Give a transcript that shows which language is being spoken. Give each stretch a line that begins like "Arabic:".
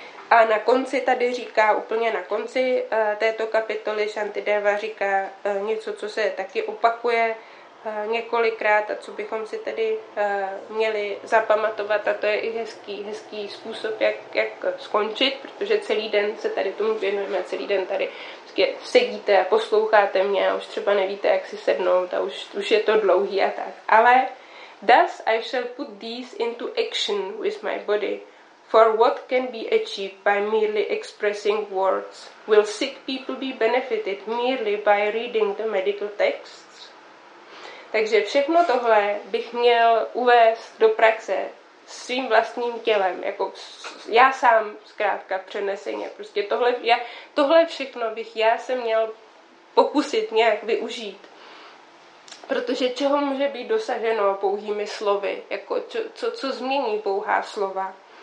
Czech: A na konci tady říká, úplně na konci této kapitoly Shantideva říká něco, co se taky opakuje několikrát a co bychom si tedy měli zapamatovat, a to je i hezký způsob, jak skončit, protože celý den se tady tomu věnujeme, celý den tady sedíte a posloucháte mě a už třeba nevíte, jak si sednout a už je to dlouhý a tak.
English: Ale thus I shall put these into action with my body, for what can be achieved by merely expressing words? Will sick people be benefited merely by reading the medical text?
Czech: Takže všechno tohle bych měl uvést do praxe svým vlastním tělem, jako já sám zkrátka přeneseně. Prostě tohle všechno bych já se měl pokusit nějak využít. Protože čeho může být dosaženo pouhými slovy? Jako co změní pouhá slova?